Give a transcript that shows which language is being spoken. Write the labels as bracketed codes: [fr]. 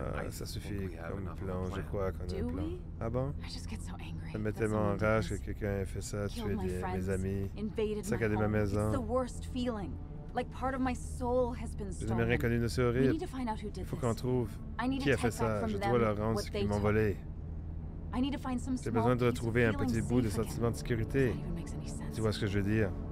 [fr] Ça suffit comme plan, je crois qu'on a un plan. Ah bon? Ça me met tellement en rage que quelqu'un ait fait ça, tué mes amis, saccadé ma maison. [en] Like part of my soul has been stolen. [fr] Je n'ai rien connu de ce horrible. Il faut qu'on trouve qui a fait ça. Je dois leur rendre ce qu'ils m'ont volé. J'ai besoin de retrouver un petit bout de sentiment de sécurité. Tu vois ce que je veux dire?